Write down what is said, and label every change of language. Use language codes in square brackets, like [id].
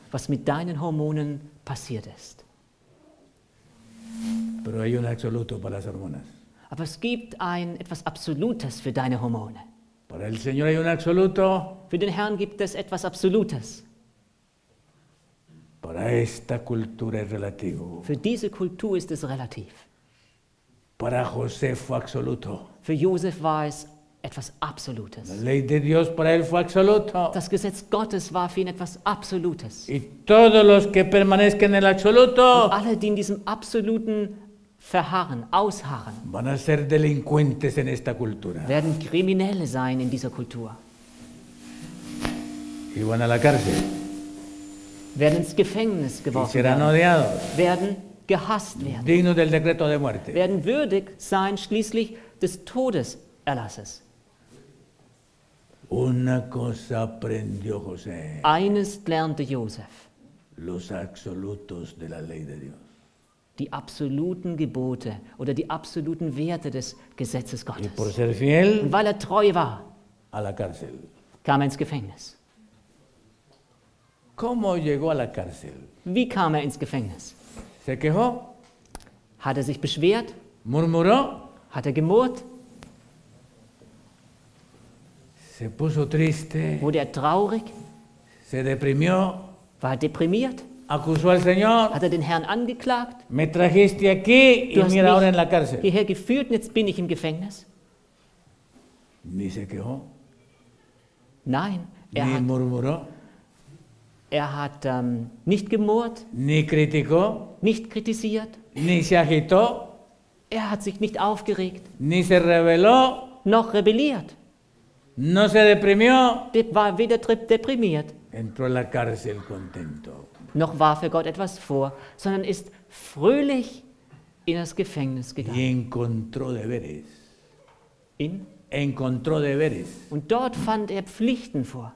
[de] Was mit deinen Hormonen passiert ist. [es] Pero hay un absoluto para las hormonas. [de] Aber es gibt ein etwas Absolutes für deine Hormone. [es] Para el Señor hay un absoluto. [de] Für den Herrn gibt es etwas Absolutes. [es] Para esta cultura es relativo. [de] Für diese Kultur ist es relativ. [es] Para José fue absoluto. [de] Für Josef war es etwas Absolutes. [es] La ley de Dios para él fue absoluto. [de] Das Gesetz Gottes war für ihn etwas Absolutes. [es] Y todos los que permanezcan en el absoluto, [de] und alle, die in diesem absoluten verharren, ausharren, [es] van a ser delincuentes en esta cultura. [de] Werden Kriminelle sein in dieser Kultur. [es] Y van a la cárcel. [de] Werden ins Gefängnis geworfen werden. Odiados. Werden gehasst werden. [es] Digno del decreto de muerte. [de] Werden würdig sein schließlich des Todes. [es] Una cosa aprendió José. [de] Eines lernte Josef. [es] Los absolutos de la ley de Dios. [de] Die absoluten Gebote oder die absoluten Werte des Gesetzes Gottes. [es] Y por ser fiel, [de] und weil er treu war, [es] a la cárcel. [de] Kam er ins Gefängnis. [es] ¿Cómo llegó a la cárcel? [de] Wie kam er ins Gefängnis? [es] Se quejó. [de] Hat er sich beschwert? [es] Murmuró. [de] Hat er gemurrt? [es] Se puso triste. [de] Wurde er traurig? [es] Se deprimió. [de] War er deprimiert? [es] Acusó al Señor. [de] Hat er den Herrn angeklagt? [es] Me trajiste aquí [de] du [es] y mira ahora en la cárcel. [de] Hierher geführt und jetzt bin ich im Gefängnis. [es] Ni se quejó. [de] Nein, er ni hat, [es] murmuró. [de] Er hat nicht gemurrt. [es] Ni criticó. [de] Nicht kritisiert. [es] Ni se agitó. [de] Er hat sich nicht aufgeregt. [es] Ni se rebeló. [de] Noch rebelliert. [es] No se deprimió. [de] War weder deprimiert. [es] Entró en la cárcel contento. [de] Noch warf er Gott etwas vor, sondern ist fröhlich in das Gefängnis gegangen. [es] Y encontró deberes. In? Encontró deberes. [de] Und dort fand er Pflichten vor.